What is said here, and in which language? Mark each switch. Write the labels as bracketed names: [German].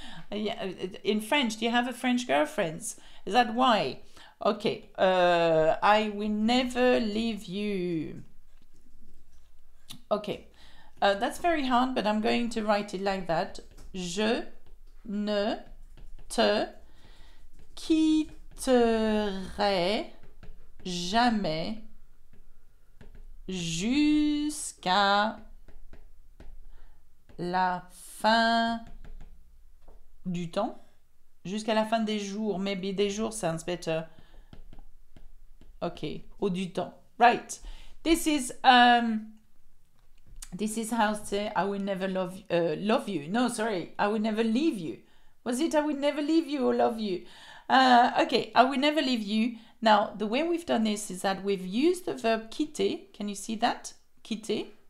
[English] Yeah, in French, do you have a French girlfriend? Is that why? Okay, I will never leave you. Okay, that's very hard, but I'm going to write it like that. [French] Je ne te quitterai jamais jusqu'à la fin du temps, jusqu'à la fin des jours, [English] maybe [French] des jours [English] sounds better. [French] Okay, au du temps, right? [English] This is how to say I will never love you. No, sorry, I will never leave you. Was it I will never leave you or love you? Okay, I will never leave you. Now, the way we've done this is that we've used the verb quitter. Can you see that? Quitter.